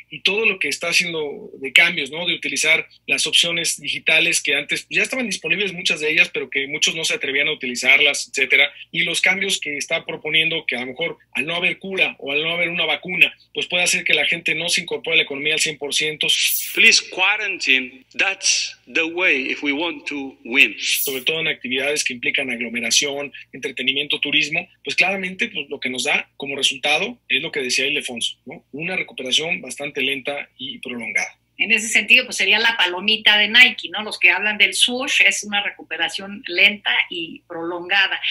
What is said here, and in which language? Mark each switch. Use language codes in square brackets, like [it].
[es] y todo lo que está haciendo de cambios, ¿no? De utilizar las opciones digitales que antes ya estaban disponibles, muchas de ellas, pero que muchos no se atrevían a utilizarlas, etcétera. Y los cambios que está proponiendo, que a lo mejor al no haber cura o al no haber una vacuna, pues puede hacer que la gente no se incorpore a la economía al 100%. [en] Please quarantine. That's the way if we want to win. [es] Sobre todo en actividades que implican aglomeración, entretenimiento, turismo, pues claramente pues lo que nos da como resultado es lo que decía Ildefonso, ¿no? Una recuperación bastante lenta y prolongada. En ese sentido, pues sería la palomita de Nike, ¿no? Los que hablan del swoosh, es una recuperación lenta y prolongada.